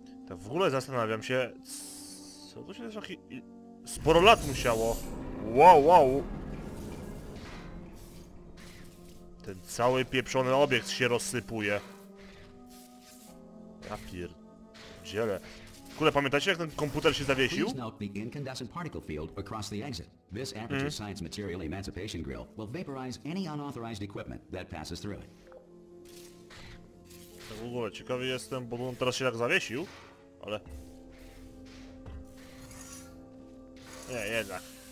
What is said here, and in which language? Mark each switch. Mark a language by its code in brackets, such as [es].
[pl] W ogóle zastanawiam się, co to się trochę... Sporo lat musiało. Wow, wow. Ten cały pieprzony obiekt się rozsypuje. Ja pierdzielę. Kurde, pamiętacie jak ten komputer się zawiesił? [en] Please note the incandescent particle field across the exit. This Aperture Science Material Emancipation Grill will vaporize any unauthorized equipment that passes through it. [pl] Tak w ogóle, ciekawy jestem, bo on teraz się tak zawiesił. Ale... Nie, jednak.